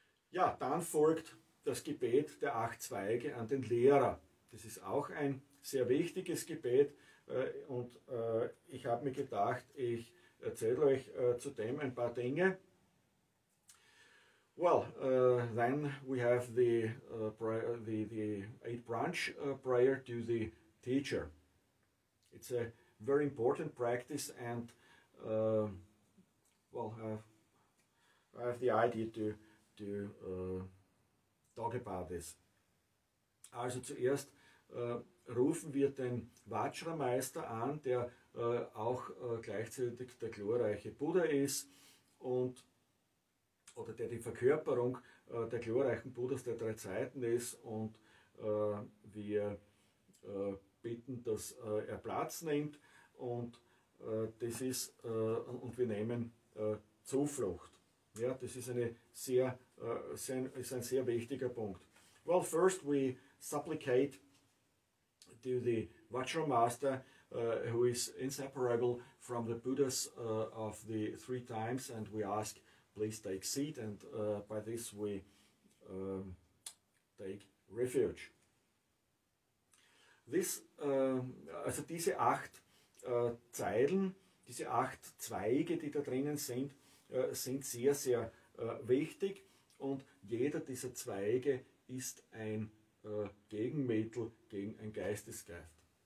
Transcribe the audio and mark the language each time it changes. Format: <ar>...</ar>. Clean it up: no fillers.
<de>Ja, dann folgt das Gebet der 8 Zweige an den Lehrer. Das ist auch ein sehr wichtiges Gebet, und ich habe mir gedacht, ich erzähle euch zu dem ein paar Dinge.</de> <en>Well, then we have the 8-branch prayer to the teacher. It's a very important practice, and I have the idea to talk about this.</en> <de>Also zuerst rufen wir den Vajra-Meister an, der auch gleichzeitig der glorreiche Buddha ist, und oder der die Verkörperung der glorreichen Buddhas der 3 Zeiten ist, und wir bitten, dass er Platz nimmt. Und das ist, und wir nehmen Zuflucht. Ja, das ist eine sehr, ist ein sehr wichtiger Punkt.</de> <en>Well, first we supplicate to the Vajra Master, who is inseparable from the Buddhas of the three times, and we ask, please take seat, and by this we take refuge.</en> <de>Diese acht Zeilen, diese acht Zweige, die da drinnen sind, sind sehr, sehr wichtig, und jeder dieser Zweige ist ein Gegenmittel gegen ein Geistesgeist.</de>